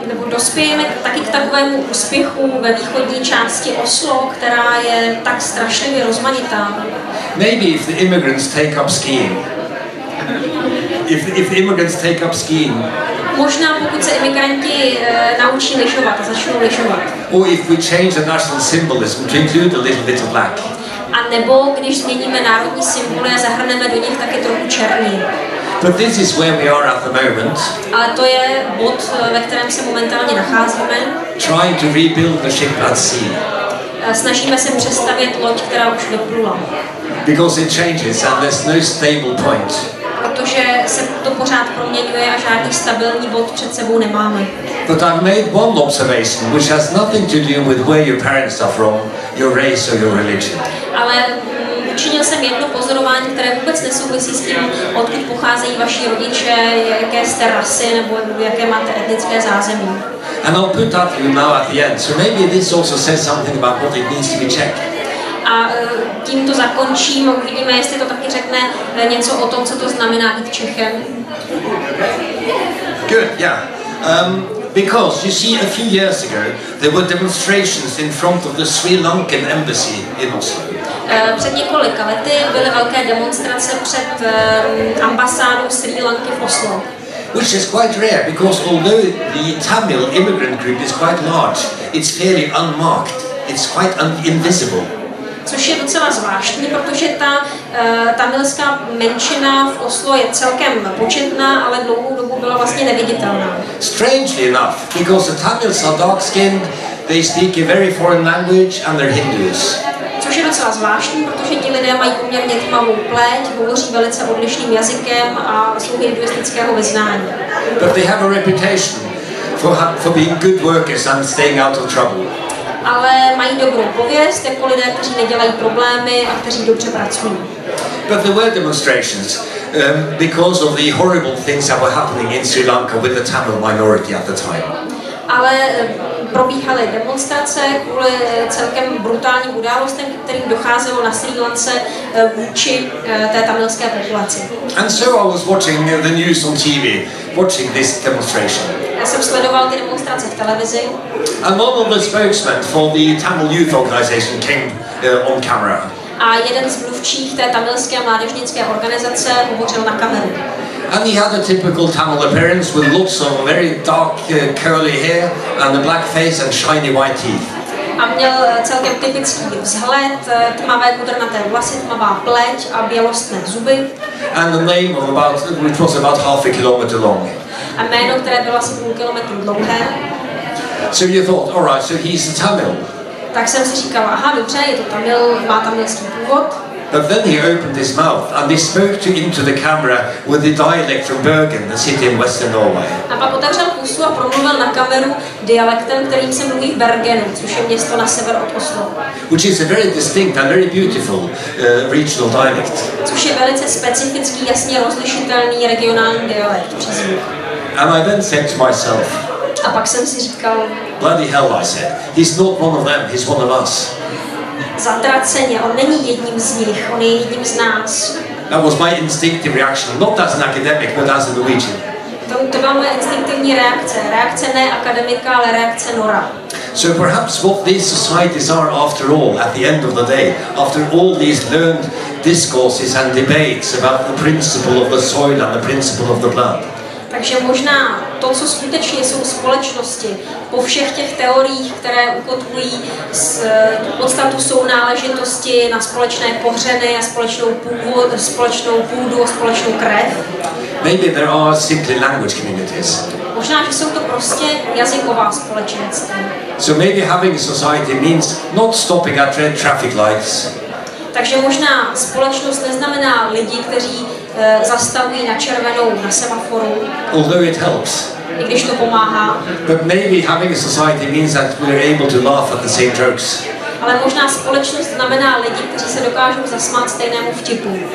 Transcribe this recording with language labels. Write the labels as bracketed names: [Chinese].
[Czech] Dospějeme taky k takovému úspěchu ve východní části Oslo, která je tak strašlivě rozmanitá. [English] Maybe if the immigrants take up skiing. If immigrants take up skiing. [Czech] Možná pokud se imigranti naučí lyžovat, začnou lyžovat. [English] Or if we change the national symbolism to include a little bit of black. [Czech] A nebo když změníme národní symboly a zahrneme do nich taky trochu černý. [English] But this is where we are at the moment. [Czech] A to je bod, ve kterém se momentálně nacházíme. [English] Trying to rebuild the ship at sea. [Czech] Snažíme se přestavět loď, která už vyplula. [English] Because it changes and there's no stable point. [Czech] Protože se to pořád proměňuje a žádný stabilní bod před sebou nemáme. [English] But I've made one observation, which has nothing to do with where your parents are from, your race or your religion. [Czech] Ale učinil jsem jedno pozorování, které vůbec nesouvisí s tím, odkud pocházejí vaši rodiče, jaké jste rasy nebo jaké máte etnické zázemí. [English] And I'll put that you now at the end. So maybe this also says something about what it means to be Czech. [Czech] A tím to zakončím, uvidíme, jestli to taky řekne něco o tom, co to znamená být Čechem. [English] Good, yeah. Because you see, a few years ago there were demonstrations in front of the Sri Lankan embassy in Oslo. [Czech] Před několika lety byly velké demonstrace před ambasádou Sri Lanky v Oslo. [English] Which is quite rare, because although the Tamil immigrant group is quite large, it's fairly unmarked. It's quite invisible. [Czech] Což je docela zvláštní, protože ta tamilská menšina v Oslo je celkem početná, ale dlouhou dobu byla vlastně neviditelná. [English] Strangely enough, because the Tamils are dark-skinned, they speak a very foreign language and they're Hindus. [Czech] Což je docela zvláštní, protože ti lidé mají poměrně tmavou pleť, hovoří velice odlišným jazykem a jsou hinduistického vyznání. [English] But they have a reputation for being good workers and staying out of trouble. [Czech] Ale mají dobrou pověst jako lidé, kteří nedělají problémy a kteří dobře pracují. [English] But there were demonstrations because of the horrible things that were happening in Sri Lanka with the Tamil minority at the time. [Czech] Ale probíhaly demonstrace kvůli celkem brutálním událostem, kterým docházelo na Sri Lance vůči té tamilské populaci. [English] And so I was watching the news on TV, watching this demonstration. [Czech] Já jsem sledoval ty demonstrace v televizi. [English] And one of the spokesmen for the Tamil youth organization came on camera. [Czech] A jeden z mluvčích té tamilské mládežnické organizace hovořil na kameru. [English] And he had a typical Tamil appearance with lots of very dark curly hair and a black face and shiny white teeth. [Czech] A měl celkem typický vzhled, tmavé kudrnaté vlasy, tmavá pleť a bělostné zuby. [English] And the name of about, which was about half a kilometer long. [Czech] A jméno, které bylo asi půl kilometru dlouhé. [English] So you thought, all right, so he's a Tamil. [Czech] Tak jsem si říkal, aha, dobře, je to Tamil, má tamilský původ. [English] But then he opened his mouth and he spoke to into the camera with the dialect from Bergen, the city in western Norway. [Czech] A pak otevřel pusu a promluvil na kameru dialektem, kterým se mluví v Bergenu, což je město na sever od Oslo. [English] Which is a very distinct and very beautiful regional dialect. [Czech] Což je velice specifický, jasně rozlišitelný regionální dialekt, přízvuk. [English] And I then said to myself. [Czech] A pak jsem si říkal. [English] Bloody hell, I said. He's not one of them, he's one of us. [Czech] Zatraceně, on není jedním z nich, on je jedním z nás. [English] That was my instinctive reaction, not as an academic, but as a Norwegian. [Czech] To byla moje instinktivní reakce. Reakce ne akademika, ale reakce Nora. [English] So perhaps what these societies are after all, at the end of the day, after all these learned discourses and debates about the principle of the soil and the principle of the blood. [Czech] Takže možná to, co skutečně jsou společnosti, po všech těch teoriích, které ukotvují podstatu sounáležitosti na společné pohřeny a společnou původ, společnou půdu a společnou krev. [English] Maybe there are simply language communities. [Czech] Možná, že jsou to prostě jazyková společenství. [English] So maybe having a society means not stopping at red traffic lights. [Czech] Takže možná společnost neznamená lidi, kteří zastavují na červenou, na semaforu. [English] Although it helps. [Czech] I když to pomáhá. [English] But maybe having a society means that we're able to laugh at the same jokes. [Czech] Ale možná společnost znamená lidi, kteří se dokážou zasmát stejnému vtipu.